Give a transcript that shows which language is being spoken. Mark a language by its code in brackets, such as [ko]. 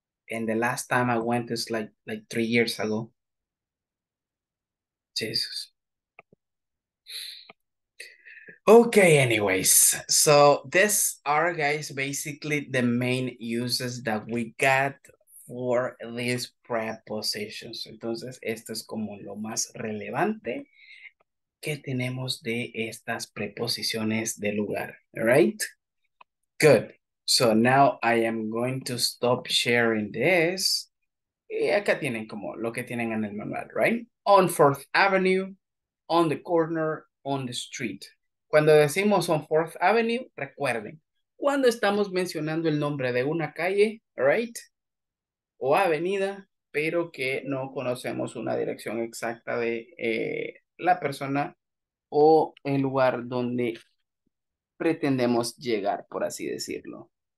[en] And the last time I went is like 3 years ago. Jesus. Okay, anyways, so these are, guys, basically the main uses that we got for these prepositions. [es] Entonces, esto es como lo más relevante que tenemos de estas preposiciones de lugar. [en] All right? Good. So now I am going to stop sharing this. [es] Y acá tienen como lo que tienen en el manual, right? [en] On 4th Avenue, on the corner, on the street. [es] Cuando decimos [en] on 4th Avenue, [es] recuerden, cuando estamos mencionando el nombre de una calle, right? O avenida, pero que no conocemos una dirección exacta de la persona o el lugar donde pretendemos llegar, por así decirlo.